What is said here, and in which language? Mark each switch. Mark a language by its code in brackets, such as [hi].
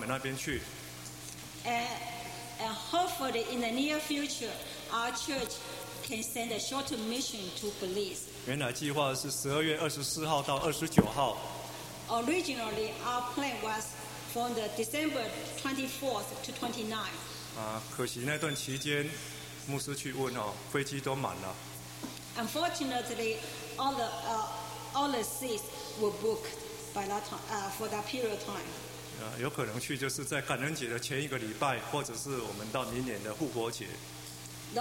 [zh] 简单的介绍到这边。那我们教会跟贝里斯教会有一个联络，就是希望最近不久的将来，我们能有短宣队到他们那边去。 [en] And hopefully in the near future, our church can send a short mission to Belize. [zh] 原来计划是12月24号到29号。 [en] Originally, our plan was from the December 24th to 29th. [zh] 可惜那段期间，牧师去问哦，飞机都满了。 [en] Unfortunately, all the seats were booked by that time, for that period of time. [zh] 有可能去就是在感恩节的前一个礼拜，或者是我们到明年的复活节。 [en] The